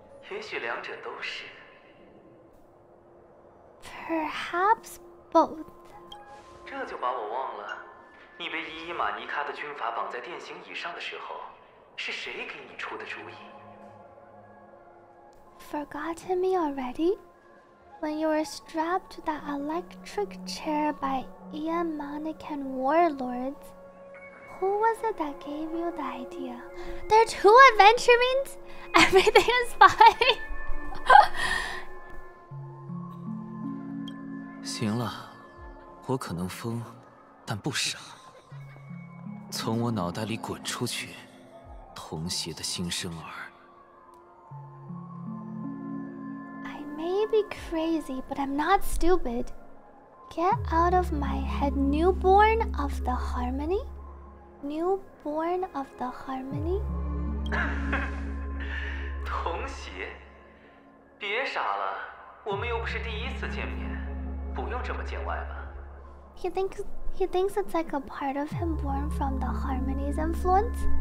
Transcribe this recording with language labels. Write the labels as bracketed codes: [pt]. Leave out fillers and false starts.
[zh] 也许两者都是。 [en] Perhaps both. [zh] 这就把我忘了。你被伊伊玛尼卡的军阀绑在电刑椅上的时候，是谁给你出的主意？ [en] Forgotten me already? When you were strapped to that electric chair by...Ian Monican warlords, who was it that gave you the idea? There are two adventurines? Everything is fine. [zh] 行了，我可能疯，但不傻。从我脑袋里滚出去，童鞋的新生儿。 [en] I may be crazy, but I'm not stupid. Get out of my head, newborn of the harmony. Newborn of the harmony. [zh] 童鞋，别傻了，我们又不是第一次见面。 [en] He thinks it's like a part of him born from the harmony's influence.